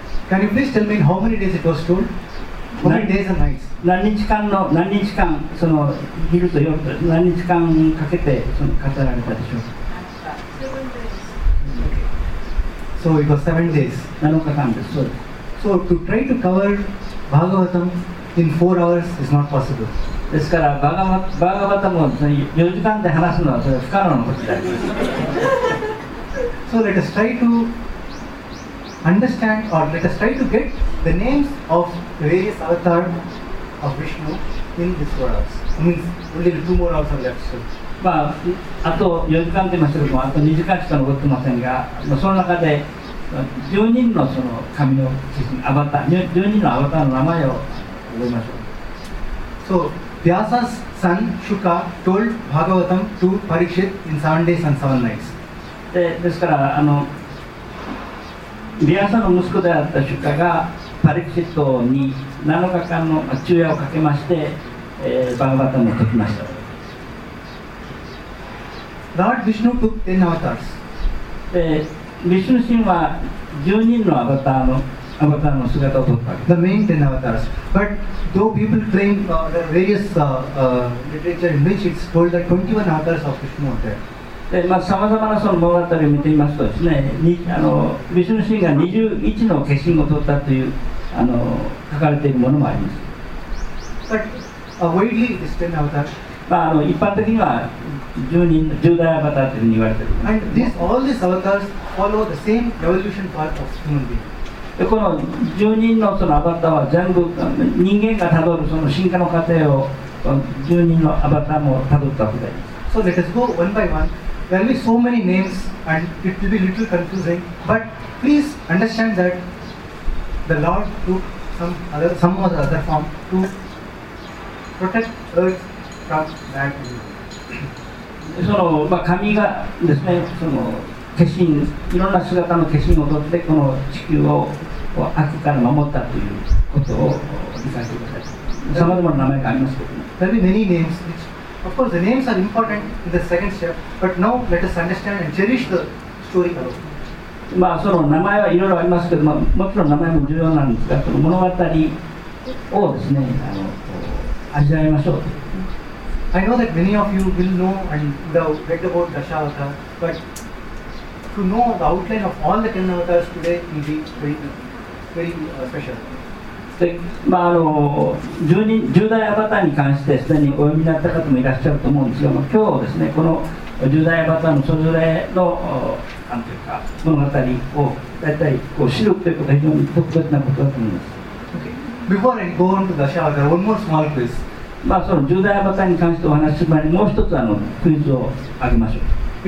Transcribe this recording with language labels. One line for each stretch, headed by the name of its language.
English: Can you please tell me how many days it was told? How many days and nights?
Japanese: 何日間その昼と夜と何日間かけてその語られたでしょうか。
English: So it was 7 days.
Japanese: 7日間です。そうです
English: 。 So to try to cover バーガバタム in 4 hours is not possible.
Japanese: ですからバーガバタも4時間で話すのはそれは不可能なことであります。
English: So let us try to understand or let us try to get the names of the various avatars of Vishnu in this 4 hours. I mean, only 2 more hours are left.
Japanese: まああと4時間って言いましたけども、あと2時間しか残ってませんが、その中で10人のその神の知識、アバター、10人のアバターの名前を覚えましょう。
English: So,Vyasa's son Shuka told Bhagavatam to Parikshit in 7 days and 7 nights.
Japanese: ですから、Vyasa の息子であった Shuka が Parikshit に7日間の昼夜をかけまして、Bhagavatam を解きました。
English: Lord Vishnu took 10 avatars.
Japanese: Vishnu 神は10人のアバターの姿を取った。
English: The main 10 avatars. But though people claim the various literature in which it's told that 21 avatars of Vishnu are there.
Japanese: まあ、さまざまなその物語を見てみますとですね、ビシュヌ神が21の化身を取ったという書かれているものもあります。
English: But widely it is 10 avatars.
Japanese: まあ、一般的には10大アバターというふうに言われている。
English: And this, all these avatars follow the same evolution path of human being.
Japanese: この10人 の, そのアバターは全部人間がたどるその進化の過程を10人のアバターもたどったわけです。
English: So let us go one by one. There will be so many names and it will be a little confusing. But please understand that the Lord took some other form to protect Earth from bad people.
Japanese: その、まあ、神がですね、その化身、いろんな姿の化身を取ってこの地球を悪から守ったということを理解してください。様々な名前がありますけども、
English: ね。There will be many names. Which, of course, the names are important in the second step. But now let us understand and cherish the story alone.
Japanese: まあその名前はいろいろありますけども、もちろん名前も重要なんですが、その物語をですね、味わいましょう。
English: I know that many of you will know and read about Dashavatara, but to know the outline of all the 10 avatars today will be very, very special.
Japanese: で、まあ、10代アバターに関してすでにお読みになった方もいらっしゃると思うんですが、今日ですねこの10代アバターのそれぞれのなんていうか物語を大体こう知るということが非常に特別なことだと思います。
English: Okay. Before I go on to the shower, there are one more small quiz。
Japanese: まあ、その10代アバターに関してお話しする前にもう一つあのクイズをあげましょう。